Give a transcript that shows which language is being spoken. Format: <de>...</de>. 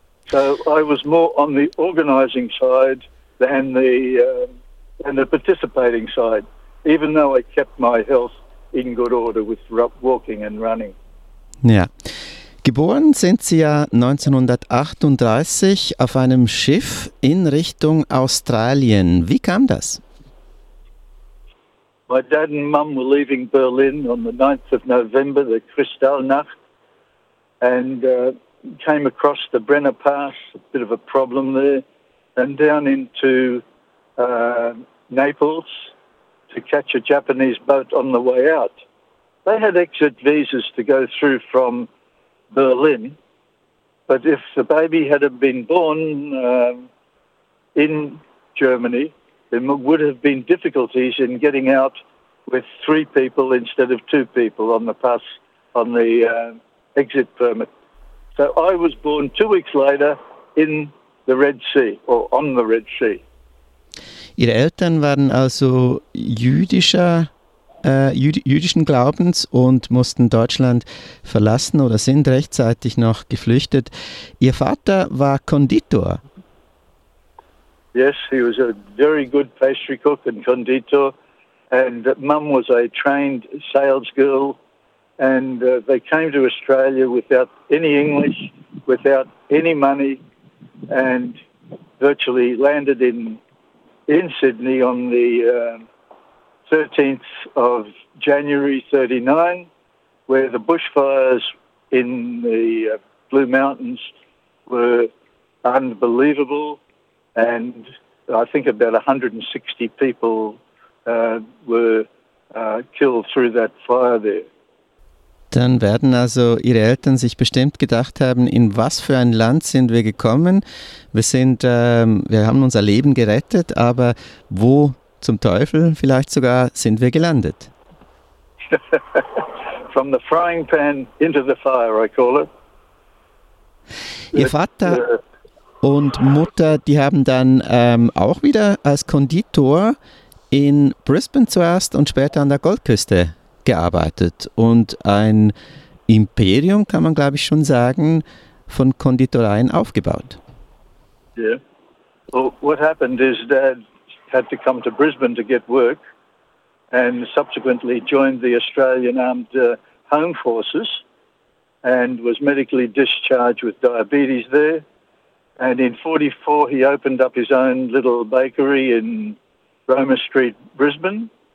<en>So I was more on the organizing side than the participating side, even though I kept my health in good order with walking and running.</en> <de>Ja. Geboren sind Sie ja 1938 auf einem Schiff in Richtung Australien. Wie kam das?</de> <en>My dad and mum were leaving Berlin on the 9th of November, the Kristallnacht, and came across the Brenner Pass, a bit of a problem there, and down into Naples to catch a Japanese boat on the way out. They had exit visas to go through from Berlin, but if the baby had been born in Germany, there would have been difficulties in getting out with three people instead of two people on the pass, on the exit permit. So I was born 2 weeks later in the Red Sea, or on the Red Sea.</en> <de>Ihre Eltern waren also jüdischen Glaubens und mussten Deutschland verlassen oder sind rechtzeitig noch geflüchtet. Ihr Vater war Konditor.</de> <en>Yes, he was a very good pastry cook and conditor. And Mum was a trained sales girl. And they came to Australia without any English, without any money, and virtually landed in Sydney on the 13th of January 39, where the bushfires in the Blue Mountains were unbelievable, and I think about 160 people were killed through that fire there.</en> <de>Dann werden also Ihre Eltern sich bestimmt gedacht haben, in was für ein Land sind wir gekommen? Wir haben unser Leben gerettet, aber wo zum Teufel, vielleicht sogar, sind wir gelandet.</de> <en>From the frying pan into the fire, I call it.</en> <de>Ihr Vater und Mutter, die haben dann auch wieder als Konditor in Brisbane zuerst und später an der Goldküste gearbeitet und ein Imperium, kann man glaube ich schon sagen, von Konditoreien aufgebaut.</de> <en>Yeah. Well, what happened is Dad had to come to Brisbane to get work and subsequently joined the Australian Armed Home Forces and was medically discharged with diabetes there. And in 44, he opened up his own little bakery in Roma Street, Brisbane.</en>